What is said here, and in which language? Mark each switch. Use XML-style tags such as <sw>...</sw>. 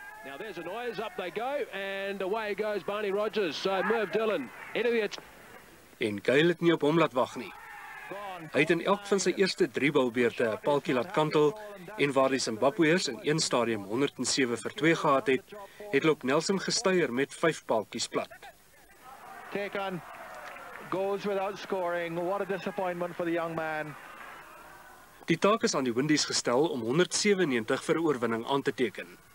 <en>Now there's a noise, up they go, and away goes Barney Rogers, so Merv Dillon, into the...</en> <af>En Gayle het nie op hom laat wag nie. Hy het in elk van sy eerste 3 balbeurte 'n paaltjie laat kantel, en waar die Zimbabweërs in een stadium 107 vir 2 gehad het, het Lop Nelson gestuier met 5 paaltjies plat.</af> <en>Taken, goes without scoring, what a disappointment for the young man.</en> <af>Die taak is aan die Windies gestel om 197 vir oorwinning aan te teken.</af>